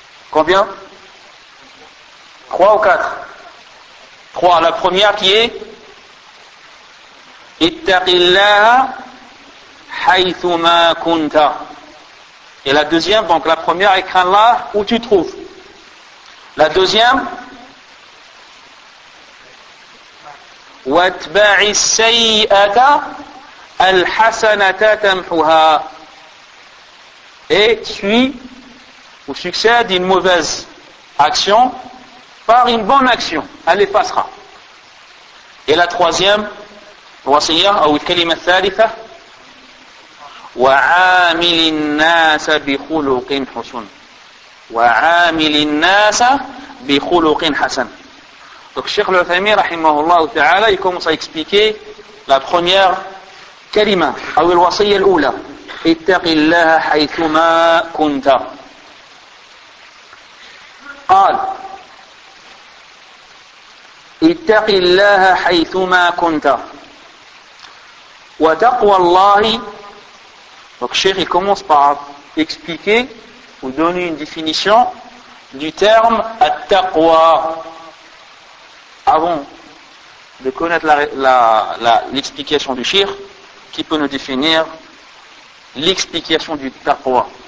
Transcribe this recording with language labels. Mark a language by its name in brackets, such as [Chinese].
[French] Combien? Trois ou quatre? Trois. La première qui est, [Arabic] ittaqillaha haythuma kunta. [French] Et la deuxième, donc la première, écrans là où tu trouves. La deuxième, [Arabic] واتبع السيئة الحسنة تمحوها. [French] Et suis ou succède une mauvaise action par une bonne action. Elle effacera. Et la troisième, [Arabic] وصيه أو الكلمة الثالثة وعامل الناس بخلق حسن وعامل الناس بخلق حسن. [French] Donc Cheikh Al-Uthaymin رحمه الله تعالى il commence à expliquer la première [Arabic] كلمة أو الوصية الأولى اتق الله حيثما كنت. قال اتق الله حيثما كنت وتقوى الله. [French] Donc Cheikh il commence par expliquer ou donner une définition du terme at-taqwa. Avant de connaître l'explication du Cheikh, qui peut nous définir l'explication du taqwa?